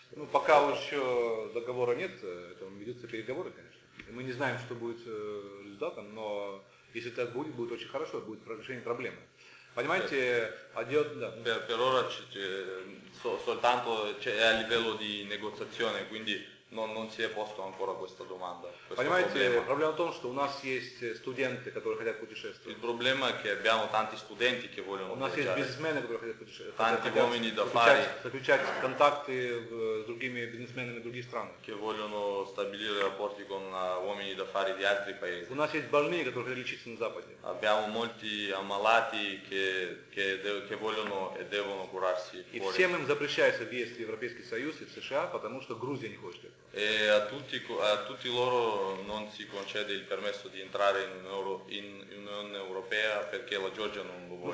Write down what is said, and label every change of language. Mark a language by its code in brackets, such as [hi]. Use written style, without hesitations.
[ru] Пока еще договора нет, это ведутся переговоры, конечно. И мы не знаем, что будет результатом, но если так будет, будет очень хорошо, будет решение проблемы. Понимаете, идет, да. [it] Per ora soltanto c'è a livello di negoziazione, quindi Но себе просто он пора быстро думанда. [ru] Понимаете, проблема в том, что у нас есть студенты, которые хотят путешествовать. Проблема, что [it] abbiamo tanti studenti che vogliono viaggiare. [ru] У нас есть бизнесмены, которые хотят путешествовать. [it] Tanti uomini d'affari. [ru] Заключать контакты с другими бизнесменами других стран. [it] Che vogliono stabilire rapporti con uomini d'affari di altri paesi. [ru] У нас есть больные, которые хотят лечиться на Западе. [it] Abbiamo molti ammalati che vogliono e devono curarsi fuori. [ru] И всем им запрещается въезд в Европейский Союз и в США, потому что Грузия не хочет. [it] E a tutti loro non si concede il permesso di entrare in Unione Europea perché la Georgia non lo vuole.